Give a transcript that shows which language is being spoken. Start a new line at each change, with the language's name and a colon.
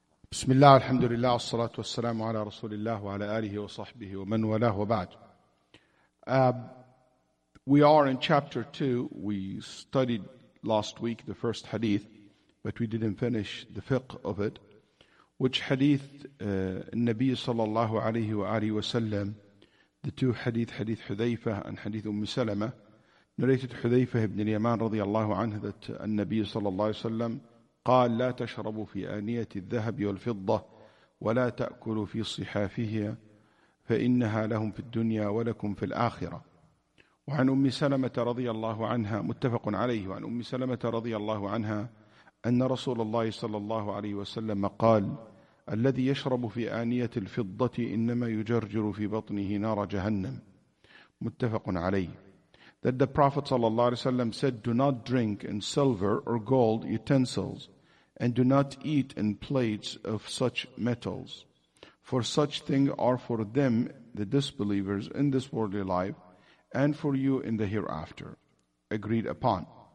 Arabic: بسم الله الحمد لله والصلاة والسلام على رسول الله وعلى آله وصحبه ومن والاه وبعد.
English: We are in chapter 2. We studied last week the first hadith, but we didn't finish the fiqh of it. Which hadith?
Arabic: النبي صلى الله عليه وآله وسلم.
English: The two hadith, hadith حذيفة and hadith أم سلمة. Narrated
Arabic: حذيفة بن اليمان رضي الله عنه that النبي صلى الله عليه وسلم قال لا تشربوا في آنية الذهب والفضة ولا تأكلوا في صحافها فإنها لهم في الدنيا ولكم في الآخرة. وعن أم سلمة رضي الله عنها متفق عليه. وعن أم سلمة رضي الله عنها أن رسول الله صلى الله عليه وسلم قال الذي يشرب في آنية الفضة إنما يجرجر في بطنه نار جهنم. متفق عليه.
English: That the Prophet ﷺ said, do not drink in silver or gold utensils, and do not eat in plates of such metals. For such things are for them, the disbelievers, in this worldly life, and for you in the hereafter. Agreed upon.